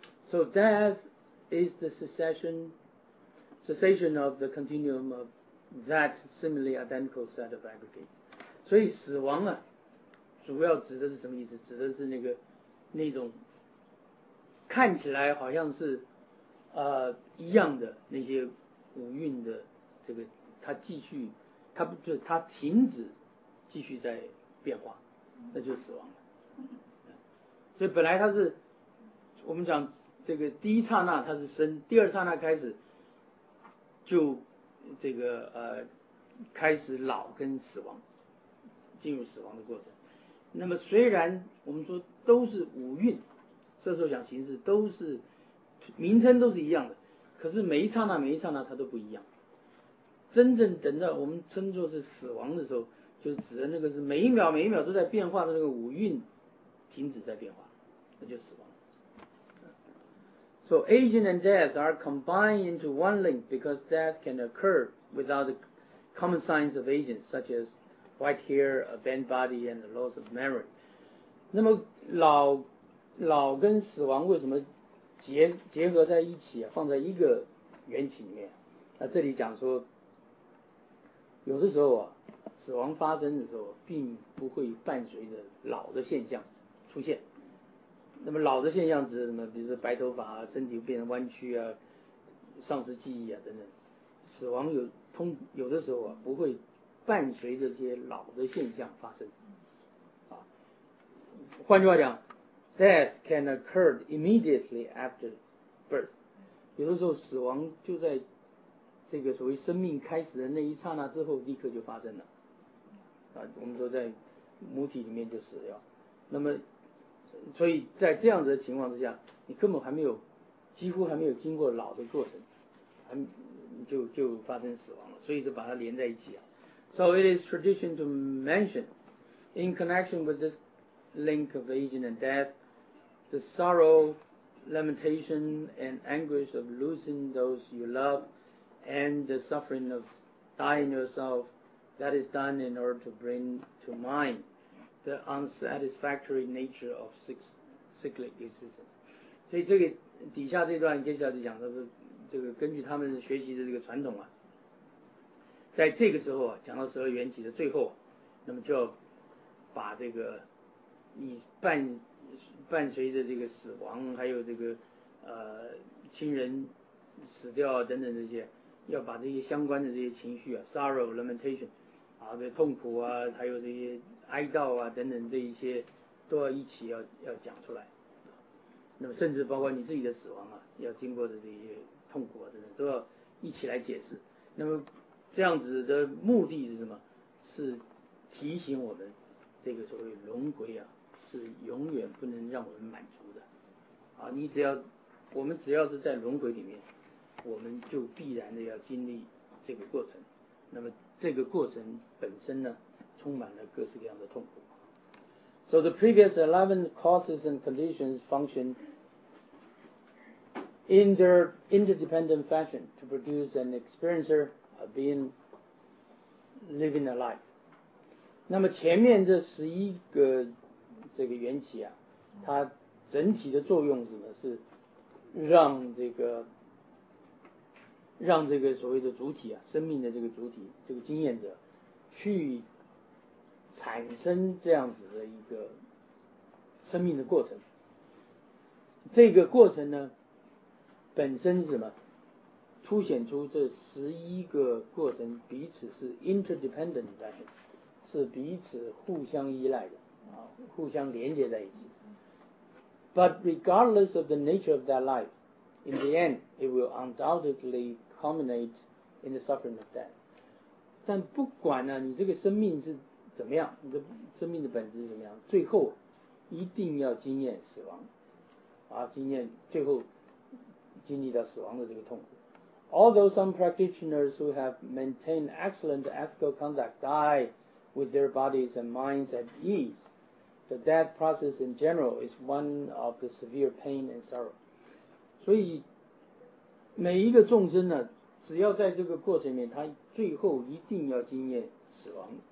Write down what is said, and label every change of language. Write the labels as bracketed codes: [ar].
[en] So death is the cessation of the continuum of that similarly identical set of aggregates. [zh] 所以死亡啊主要指的是什么意思？指的是那种看起来好像是一样的那些五蕴的这个，它继续，它不就它停止继续在变化，那就死亡了。所以本来它是我们讲这个第一刹那它是生，第二刹那开始就这个开始老跟死亡，进入死亡的过程。那么虽然我们说都是五蕴，这时候讲形式都是名称都是一样的，可是每一刹那每一刹那它都不一样。真正等到我们称作是死亡的时候，就指的那个是每一秒每一秒都在变化的那个五蕴停止在变化，那就死亡。 [en] So aging and death are combined into one link because death can occur without the common signs of aging such aswhite hair, a bent body, and the loss of memory. [zh] 那么老跟死亡为什么结合在一起、啊、放在一个缘起里面？那这里讲说，有的时候啊，死亡发生的时候，并不会伴随着老的现象出现。那么老的现象指什么？比如说白头发啊，身体变成弯曲啊，丧失记忆啊等等。死亡有的时候啊，不会伴随着这些老的现象发生，啊，换句话讲， [en] death can occur immediately after birth. [zh] 有的时候死亡就在这个所谓生命开始的那一刹那之后立刻就发生了。我们说在母体里面就死掉。那么所以在这样子的情况之下，你根本还没有，几乎还没有经过老的过程，就发生死亡了，所以就把它连在一起啊。 [en] So it is tradition to mention, in connection with this link of aging and death, the sorrow, lamentation, and anguish of losing those you love, and the suffering of dying yourself, that is done in order to bring to mind the unsatisfactory nature of cyclic existence. [zh] 所以这个底下这段接下来讲的是这个根据他们学习的这个传统啊，在这个时候啊，讲到十二缘起的最后，那么就要把这个你伴随着这个死亡，还有这个亲人死掉等等这些，要把这些相关的这些情绪啊 ， [en] sorrow lamentation [zh] 啊，这痛苦啊，还有这些哀悼啊等等这一些，都要一起要讲出来。那么甚至包括你自己的死亡啊，要经过的这些痛苦啊等等，都要一起来解释。那么这样子的目的是什么？是提醒我们，这个所谓轮回啊，是永远不能让我们满足的。啊，你只要，我们只要是在轮回里面，我们就必然的要经历这个过程。那么这个过程本身呢，充满了各式各样的痛苦。 [en] So the previous 11 causes and conditions function in their interdependent fashion to produce an experiencer of being living a life. [zh] 那么前面这十一个这个缘起啊，它整体的作用是什么？是让这个所谓的主体啊，生命的这个主体，这个经验者去产生这样子的一个生命的过程。这个过程呢本身是什么？凸显出这十一个过程彼此是 [en] interdependent fashion， [zh] 是彼此互相依赖的，互相连接在一起。 [en] But regardless of the nature of that life, in the end it will undoubtedly culminate in the suffering of death. [zh] 但不管呢，你这个生命是怎么样，你的生命的本质是怎么样，最后一定要经验死亡啊，经验最后经历到死亡的这个痛苦。 [en] Although some practitioners who have maintained excellent ethical conduct die with their bodies and minds at ease, the death process in general is one of the severe pain and sorrow. [zh] 所以每一个众生呢，只要在这个过程里面，他最后一定要经验死亡。